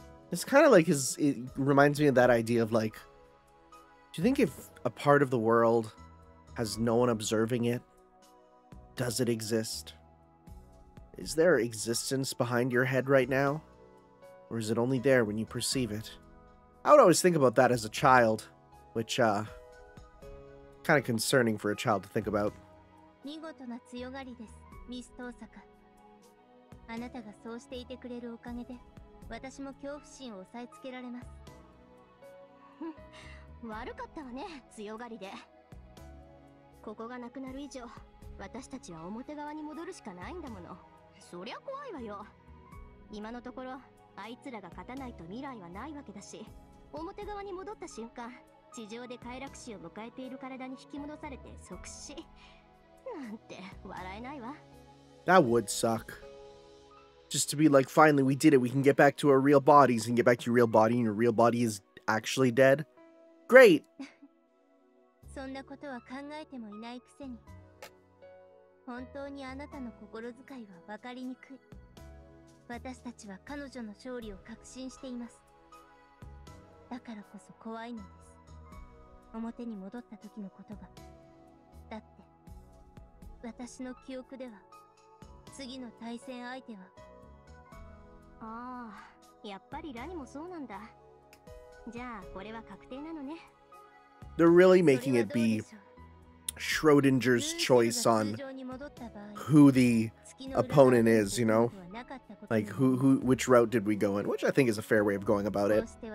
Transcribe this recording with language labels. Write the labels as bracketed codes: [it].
[en] It's kind of like it reminds me of that idea of like, do you think if a part of the world has no one observing it? Does it exist? Is there existence behind your head right now? Or is it only there when you perceive it? I would always think about that as a child, which, kind of concerning for a child to think about. [ja] 見事な強がりです、ミス・トーサカ。あなたがそうしていてくれるおかげで、私も恐怖心を抑えつけられます。悪かったわね、強がりで。ここがなくなる以上。私たちは表側に戻るしかないんだもの。そりゃ怖いわよ。今のところ、あいつらが勝たないと未来はないわけだし、表側に戻った瞬間、地上で快楽死を迎えている体に引き戻されて即死。なんて笑えないわ。 [en] That would suck. Just to be like, finally we did it, we can get back to our real bodies and get back to your real body and your real body is actually dead? Great! [ja] そんなことは考えてもいないくせに。本当にあなたの心遣いは分かりにくい。私たちは彼女の勝利を確信しています。だからこそ怖いのです。表に戻った時のことが。だって、私の記憶では、次の対戦相手は。ああ、やっぱりラニもそうなんだ。じゃあ、これは確定なのね。 [en] They're really making it be... Schrodinger's choice on who the opponent is, you know? Like, which route did we go in? Which I think is a fair way of going about it.